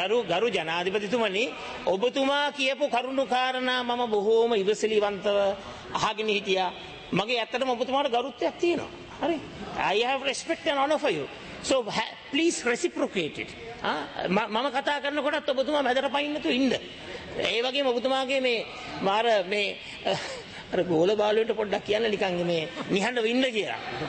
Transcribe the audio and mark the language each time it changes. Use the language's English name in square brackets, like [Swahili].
[Sinhala] ගරු ජනාධිපතිතුමනි ඔබතුමා කියපු කරුණු කාරණා මම බොහෝම ඉවසලිවන්තව අහගෙන හිටියා මගේ ඇත්තටම ඔබතුමාට ගරුත්වයක් තියෙනවා හරි [English] I have respect and honor for you. So please reciprocate it. [Sinhala] මම කතා කරනකොටත් ඔබතුමා මැදට පයින් නැතුව ඉන්න. ඒ වගේම ඔබතුමාගේ මේ අර ගෝල බාලුවන්ට පොඩ්ඩක් කියන්න නිකන් මේ නිහඬව ඉන්න කියලා.